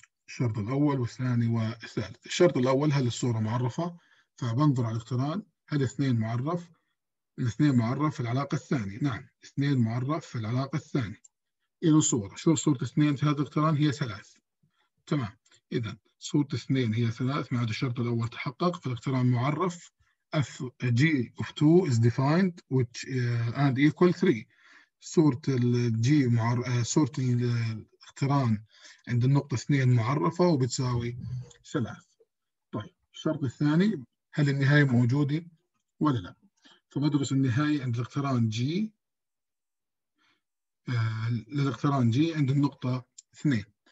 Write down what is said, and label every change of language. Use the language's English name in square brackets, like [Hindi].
[Arabic] الشرط الأول والثاني والثالث. الشرط الأول هل الصورة معرفة، فبنظر على الاقتران، هل اثنين معرف؟ الاثنين معرف في العلاقة الثانية، نعم اثنين معرف في العلاقة الثانية. إلى الصورة، شو صورة اثنين في هذا الاقتران؟ هي ثلاث، تمام. إذن صورة اثنين هي ثلاث، معناته الشرط الأول تحقق، فالاقتران معرف. [English] F G of 2 is defined which and equal 3. [Arabic] صورة الجي صورة الاقتران عند النقطة 2 معرفة وبتساوي 3. طيب الشرط الثاني، هل النهاية موجودة ولا لا؟ فبدرس النهاية عند الاقتران جي، للاقتران جي عند النقطة 2.